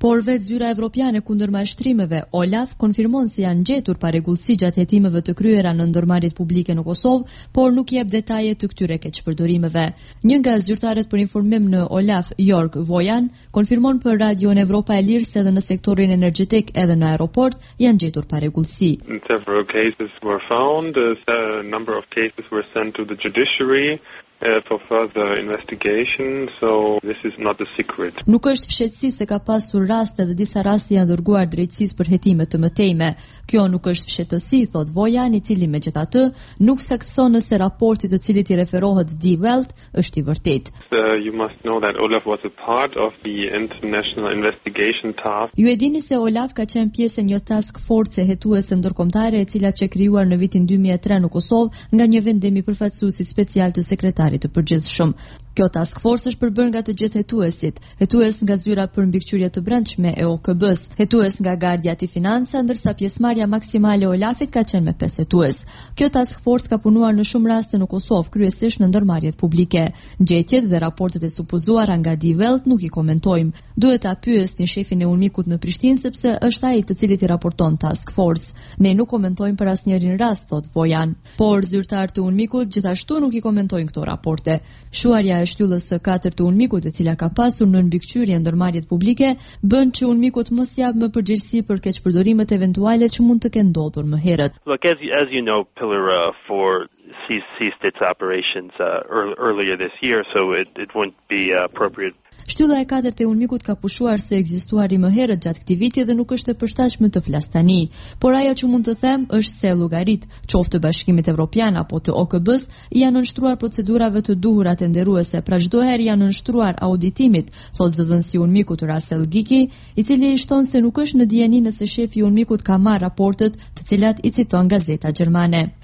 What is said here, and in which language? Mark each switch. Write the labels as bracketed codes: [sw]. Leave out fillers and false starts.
[sq] Por vetë zyra evropiane kundër mashtrimeve, Olaf, konfirmon se janë gjetur parregullsi gjatë hetimeve të kryera në ndërmarrjet publike në Kosovë, por nuk jep detaje të këtyre keqpërdorimeve. Një nga zyrtarët për informim në Olaf York Vojan konfirmon për Radio në Evropa e Lirë se edhe në sektorin energjetik edhe në aeroport janë gjetur parregullsi. [en] Several cases were found, a number of cases were sent to the judiciary for further investigation, so this is not a secret. [sq] Nuk është fshehtësi se ka pasur raste dhe disa raste janë dërguar drejtësisë për hetime të mëtejme. Kjo nuk është fshehtësi, thot Vojan, i cili megjithatë nuk sakson nëse raporti të cilit i referohet Die Welt është i vërtetë. [en] You must know that Olaf was a part of the international investigation task. [sq] Ju e dini se Olaf ka qenë pjesë një task force hetuese ndërkombëtare e cila që krijuar në vitin 2003 në Kosovë nga një vendim i përfaqësuesi special të sekretarisë të përgjithshëm. Kjo task force është përbërë nga të gjithë hetuesit, hetues nga zyra për mbikëqyrje të brendshme e OKB-s, hetues nga Gardia e Financave, ndërsa pjesëmarrja maksimale e Olafit ka qenë me 5 hetues. Kjo task force ka punuar në shumë raste në Kosovë, kryesisht në ndërmarrjet publike. Gjetjet dhe raportet e supozuara nga Die Welt nuk i komentojmë. Duhet ta pyesni shefin e Unmikut në Prishtinë sepse është ai të cilit i raporton task force. Ne nuk komentojmë për asnjërin rast, thot Vojan. Por zyrtarët të Unmikut gjithashtu nuk i komentojnë këto raporte. Shuarja e shtyllës së katërt të Unmikut, e cila ka pasur në mbikëqyrje ndërmarrjet publike, bën që Unmikut mos jap më përgjegjësi për keqpërdorimet eventuale që mund të kenë ndodhur më herët. [en] Look, as you know, pillar 4 ceased its operations earlier this year, so it wouldn't be appropriate. [sq] Shtylla e katërt e Ulmikut ka pushuar se ekzistuari më herët gjatë këtij viti dhe nuk është e përshtatshme të flas tani. Por ajo që mund të them është se llogarit, qoftë Bashkimit Evropian apo të OKB-s, janë nënshtruar procedurave të duhura tenderuese, pra çdo herë janë nënshtruar auditimit, thot zëdhënësi Ulmikut Rasel Giki, i cili i shton se nuk është në dijeni nëse shefi Ulmikut ka marrë raportet, të cilat i citon gazeta gjermane.